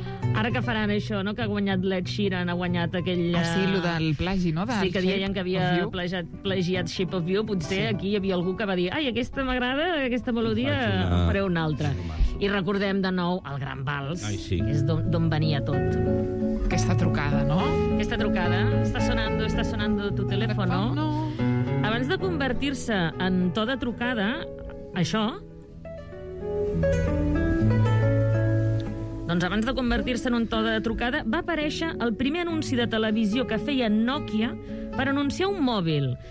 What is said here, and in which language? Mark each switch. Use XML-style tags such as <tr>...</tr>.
<ca>Ara que farà això, no?, que ha guanyat l'Ed Sheeran, ha guanyat aquell... Ah, sí, el del plagi, no? Sí, que deien que havia plagiat Shape of You. Potser aquí hi havia algú que va dir: ai, aquesta m'agrada, aquesta melodia, faré una altra. I recordem de nou el gran vals, que és d'on venia tot. Aquesta trucada, no? Aquesta trucada.</ca> <es>Està sonando tu teléfono.</es> <ca>Abans de convertir-se en to de trucada, això... Doncs abans de convertir-se en un to de trucada, va aparèixer el primer anunci de televisió que feia Nokia per anunciar un mòbil.</ca>